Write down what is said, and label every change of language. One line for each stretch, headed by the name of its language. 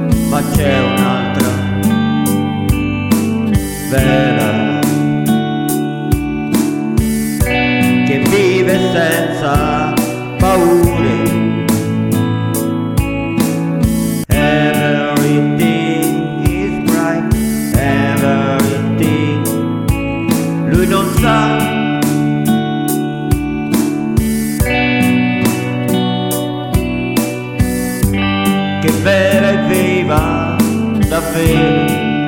Italian: ma c'è un Vera che vive senza paure.
English: Everything is bright, everything.
Italian: Lui non sa che Vera è viva davvero.